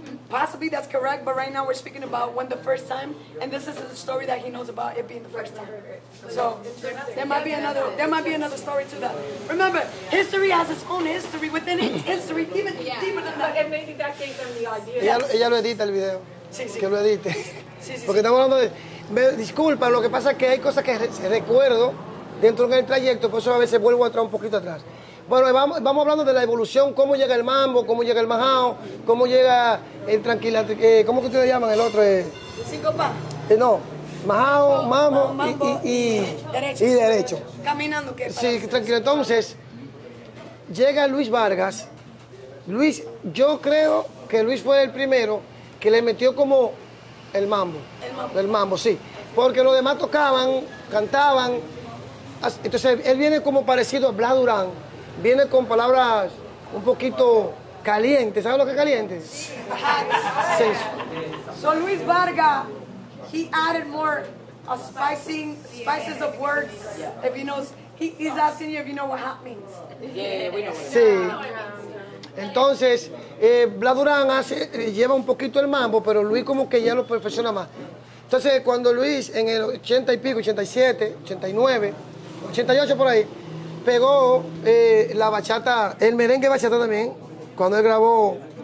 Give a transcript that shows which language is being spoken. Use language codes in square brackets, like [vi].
[en] Possibly that's correct, but right now we're speaking about when the first time, and this is the story that he knows about it being the first time. So there might be another story to that. Remember, history has its own history within its history, even deeper than that. And maybe that gave them the idea. [es] Ella lo edita el video. Sí, sí. Que lo edite. Sí. Porque estamos hablando de... Me disculpa, lo que pasa es que hay cosas que recuerdo dentro del trayecto, por eso a veces vuelvo atrás un poquito atrás. Bueno, vamos hablando de la evolución, cómo llega el mambo, cómo llega el majao, cómo llega el tranquila, ¿cómo que ustedes llaman el otro? Sincopa. No, majao, mambo y derecho. Y derecho. Caminando, ¿qué? Sí, tranquilo. Entonces, llega Luis Vargas. Luis, yo creo que Luis fue el primero que le metió como el mambo. El mambo. El mambo, sí. Porque los demás tocaban, cantaban. Entonces, él viene como parecido a Blas Durán. Viene con palabras un poquito calientes. ¿Sabes lo que es caliente? Sí. Sí. [en] So Luis Varga, he added more spices of words. If you know, he's asking you if you know what hot means. Yeah, we know. [es] Sí. Entonces, Blas Durán lleva un poquito el mambo, pero Luis como que ya lo perfecciona más. Entonces, cuando Luis en el 80 y pico, 87, 89, 88 por ahí, pegó la bachata, el merengue bachata también, cuando él grabó.